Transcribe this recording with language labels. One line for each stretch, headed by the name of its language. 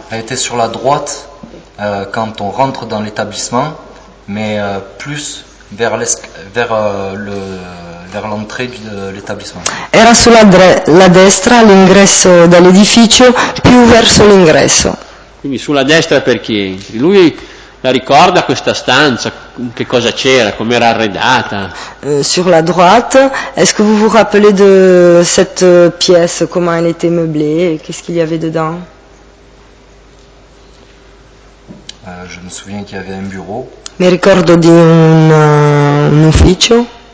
French: Elle était sur la droite quand on rentre dans l'établissement, mais plus vers l'entrée de l'établissement.
Italian: Era sulla la destra, all'ingresso dall'edificio, più verso l'ingresso. Quindi sulla destra per chi entri. Lui la ricorda questa stanza, che cosa c'era, com'era arredata?
French: Sur la droite, est-ce que vous vous rappelez de cette pièce, comment elle était meublée, qu'est-ce qu'il y avait dedans? Je me souviens qu'il y avait un bureau.
Italian: Mi ricordo di un ufficio.